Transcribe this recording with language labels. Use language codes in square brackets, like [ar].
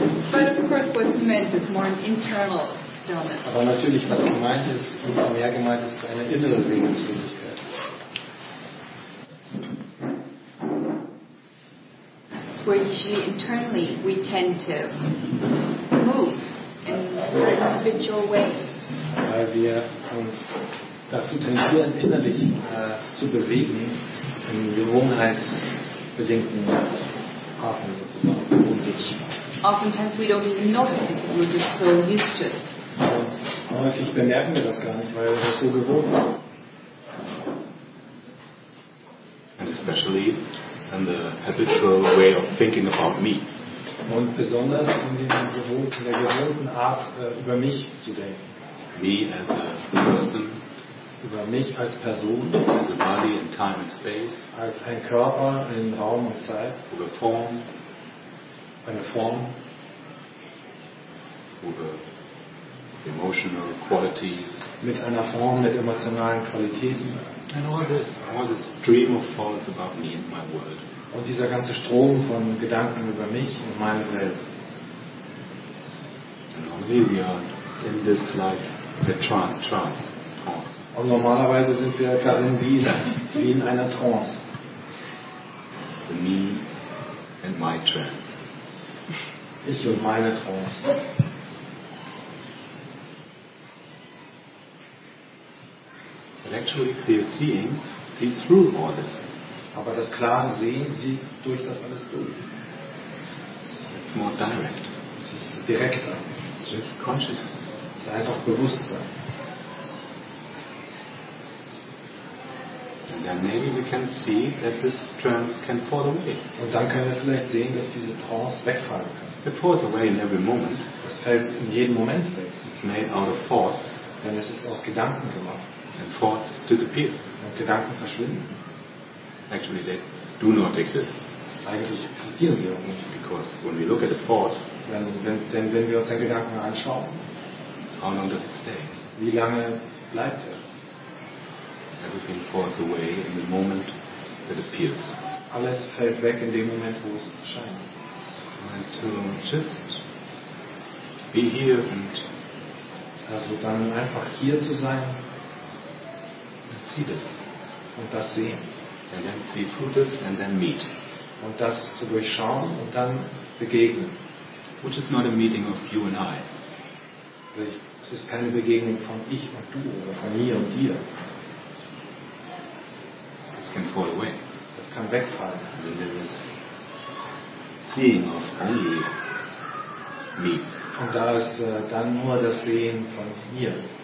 [en] But of course, what's meant is more an internal stillness. [de] Aber natürlich, was gemeint ist, und mehr gemeint ist, eine innere Regungslosigkeit. [en] Where usually internally we tend to move in certain habitual ways. [de] Weil wir uns dazu tendieren, innerlich zu bewegen. In gewohnheitsbedingten Arten sozusagen. [en] Oftentimes we don't even notice it, we're just so used to it. [de] Häufig bemerken wir das gar nicht, weil wir so gewohnt sind. [en] And especially in the habitual way of thinking about me. [de] Und besonders in der gewohnten Art über mich zu denken. [en] Me as a person. [de] Über mich als Person, [en] as a body in time and space, [de] als ein Körper in Raum und Zeit, über Form, eine Form, [en] über emotional qualities, [de] mit einer Form, mit emotionalen Qualitäten, [en] and all this stream of thoughts about me and my world. [de] Und dieser ganze Strom von Gedanken über mich und meine Welt. [en] And only we are in this life, the trance. [de] Und normalerweise sind wir darin wie in einer Trance. [en] The me and my trance. [de] Ich und meine Trance. [en] But actually clear seeing sees through all this. [de] Aber das klare Sehen sieht durch das alles durch. [en] It's more direct. [de] Es ist direkter. [en] Just consciousness. [de] Es ist einfach Bewusstsein. [en] And maybe we can see that this trance can fall away. [de] Und dann können wir vielleicht sehen, dass diese Trance wegfallen kann. [en] It falls away in every moment. [de] Es fällt in jedem Moment weg. [en] It's made out of thoughts. [de] Denn es ist aus Gedanken gemacht. [en] And thoughts disappear. [de] Und Gedanken verschwinden. [en] Actually, they do not exist. [de] Eigentlich existieren sie auch nicht. [en] Because when we look at a thought, [de] wenn wir uns einen Gedanken anschauen, [en] how long does it stay? [de] Wie lange bleibt er? [en] Everything falls away in the moment that it appears. [de] Alles fällt weg in dem Moment, wo es erscheint. [en] So to just be here and [de] also dann einfach hier zu sein [en] and see this. [de] Und das sehen. [en] And then see through this and then meet. [de] Und das zu durchschauen und dann begegnen. [en] Which is not a meeting of you and I. [de] Es ist keine Begegnung von ich und du oder von mir und dir. [en] Can fall away. [de] Das kann wegfallen. [en] And then there is seeing of only me. [de] Und da ist dann nur das Sehen von mir.